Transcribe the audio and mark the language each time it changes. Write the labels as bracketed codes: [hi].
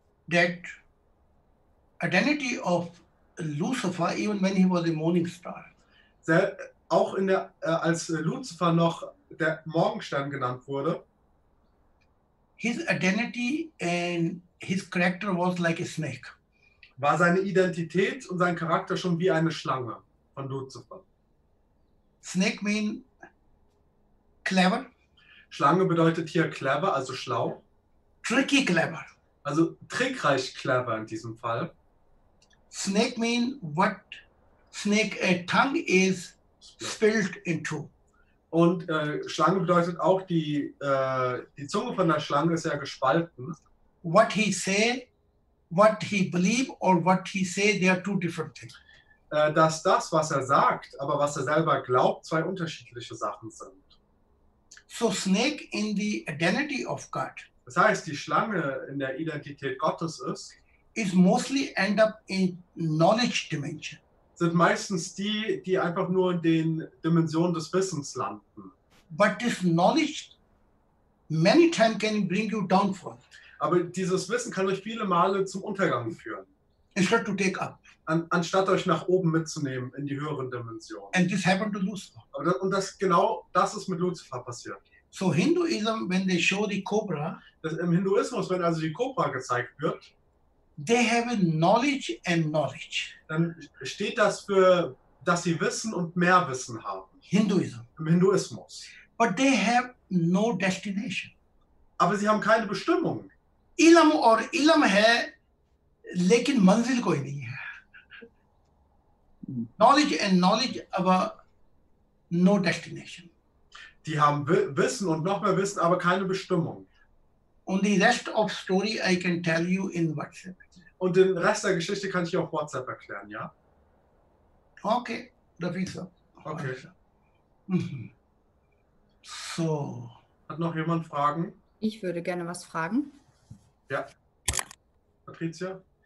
[en] That identity of Lucifer, even when he was a morning star. [de] Auch in der, als Lucifer noch der Morgenstern genannt wurde. [en] His identity and his character was like a snake. [de] War seine Identität und sein Charakter schon wie eine Schlange von Lucifer. [en] Snake mean clever. [de] Schlange bedeutet hier clever, also schlau. [en] Tricky clever. [de] Also trickreich clever in diesem Fall. [en] Snake mean what snake a tongue is spilled into. [de] Und Schlange bedeutet auch, die, die Zunge von der Schlange ist ja gespalten. [en] What he say, what he believe or what he say, they are two different things. [de] Dass das, was er sagt, aber was er selber glaubt, zwei unterschiedliche Sachen sind. [en] So snake in the identity of God. [de] Das heißt, die Schlange in der Identität Gottes ist. [en] Is mostly end up in knowledge dimension. [de] Sind meistens die, die einfach nur in den Dimensionen des Wissens landen. [en] But this knowledge many times can bring you downfall. [de] Aber dieses Wissen kann euch viele Male zum Untergang führen. [en] Instead to take up. [de] Anstatt euch nach oben mitzunehmen in die höheren Dimensionen. [en] And this happened to Lucifer. [de] Und das, genau das ist mit Lucifer passiert. [en] So Hinduism, when they show the cobra, [de] das, im Hinduismus, wenn also die Kobra gezeigt wird, [en] they have knowledge and knowledge. [de] Dann steht das für, dass sie Wissen und mehr Wissen haben. [en] Hinduism. [de] Im Hinduismus. [en] But they have no destination. [de] Aber sie haben keine Bestimmung. [ur] Ilam or ilam hai, lekin manzil koi nahi hai. [en] Knowledge and knowledge, aber no destination. [de] Die haben Wissen und noch mehr Wissen, aber keine Bestimmung. [en] Und the rest of story I can tell you in WhatsApp. [de] Und den Rest der Geschichte kann ich auf WhatsApp erklären, ja? Okay, darf ich so. Okay. So. Hat noch jemand Fragen? Ich würde gerne was fragen. Ja. Patricia?